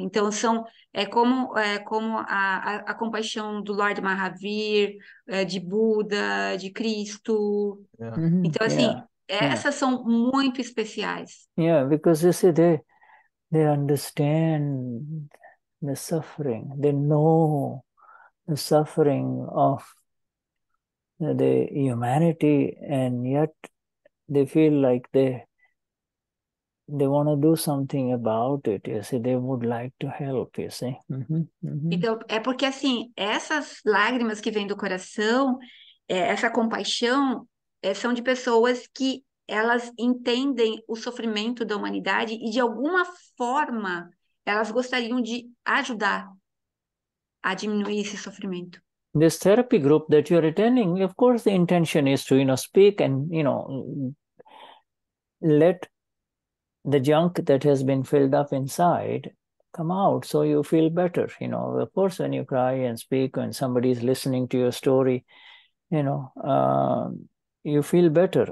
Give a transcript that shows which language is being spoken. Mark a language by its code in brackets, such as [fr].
[pt] Então, como a compaixão do Lord Mahavir, de Buda, de Cristo. [en] Yeah. [pt] Então, assim, essas são muito especiais. [en] Yeah, because you see, they understand the suffering, they know the suffering of the humanity, and yet they feel like they want to do something about it, you see, they would like to help, you see. [pt] Então, é porque, assim, essas lágrimas que vêm do coração, essa compaixão, são de pessoas que elas entendem o sofrimento da humanidade e, de alguma forma, elas gostariam de ajudar a diminuir esse sofrimento. [en] This therapy group that you're attending, of course, the intention is to, you know, speak and, you know, let the junk that has been filled up inside come out so you feel better. You know, of course, when you cry and speak, when somebody is listening to your story, you know, you feel better.